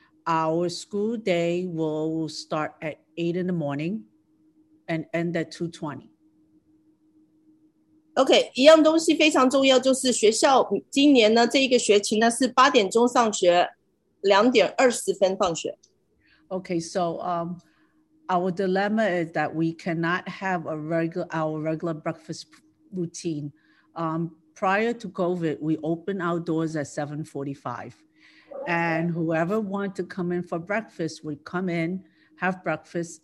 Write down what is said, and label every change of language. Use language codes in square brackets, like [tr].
[en] Our school day will start at 8 in the morning and end at 2:20. [zh] OK, 一样东西非常重要，就是学校今年呢，这一个学期呢，是8点钟上学，2点20分放学。 [en] OK, so our dilemma is that we cannot have our regular breakfast routine. Prior to COVID, we opened our doors at 7:45. And whoever wanted to come in for breakfast would come in, have breakfast.